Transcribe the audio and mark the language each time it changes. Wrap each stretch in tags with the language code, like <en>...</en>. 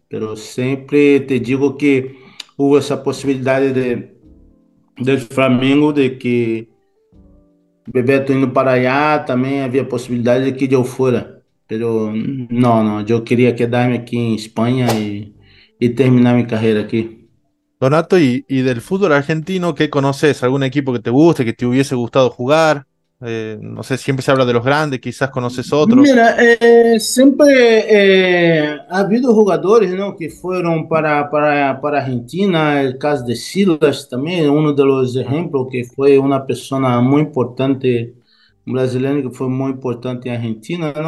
<pt>Pero sempre te digo que houve essa possibilidade de Flamengo, de que Bebeto indo para allá, também havia possibilidade de que eu fora. Pero não, eu queria quedar-me aqui em Espanha e terminar minha carreira aqui.</pt> <es>Donato, y del fútbol argentino, ¿qué conoces? ¿Algún equipo que te guste, que te hubiese gustado jugar? No sé, siempre se habla de los grandes, quizás conoces otros.</es> <pt>Mira, sempre ha havido jogadores, não, que foram para a Argentina, o caso de Silas também, um dos exemplos, que foi uma pessoa muito importante, um brasileiro que foi muito importante em Argentina.</pt>